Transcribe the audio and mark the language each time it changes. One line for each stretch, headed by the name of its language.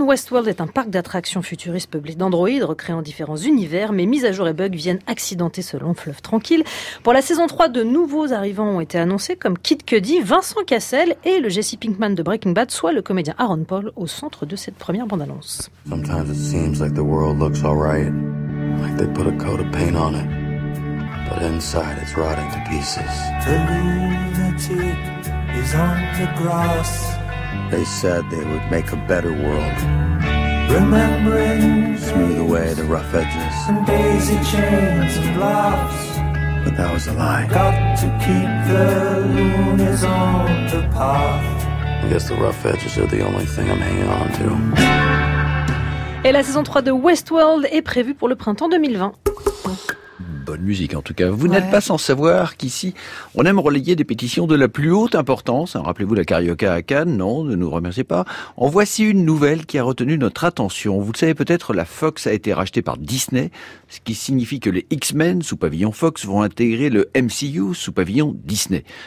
French: Westworld est un parc d'attractions futuriste peuplé d'androïdes, recréant différents univers, mais mises à jour et bugs viennent accidenter ce long fleuve tranquille. Pour la saison 3, de nouveaux arrivants ont été annoncés comme Kid Cudi, Vincent Cassel et le Jesse Pinkman de Breaking Bad, soit le comédien Aaron Paul au centre de cette première bande-annonce.
English: Sometimes it seems like the world looks all right, like they put a coat of paint on it, but inside it's rotting to pieces. Is on the grass. They said they would make a better world. Remembering smooth away the rough edges and daisy chains and laughs. But that was a lie. Got to keep the loonies on the path. I guess the rough edges are the only thing I'm hanging on to.
French: Et la saison 3 de Westworld est prévue pour le printemps 2020. Bonne musique en tout cas. Vous n'êtes pas sans savoir qu'ici, on aime relayer des pétitions de la plus haute importance. Rappelez-vous la carioca à Cannes, non, ne nous remerciez pas. En voici une nouvelle qui a retenu notre attention. Vous le savez peut-être, la Fox a été rachetée par Disney, ce qui signifie que les X-Men sous pavillon Fox vont intégrer le MCU sous pavillon Disney.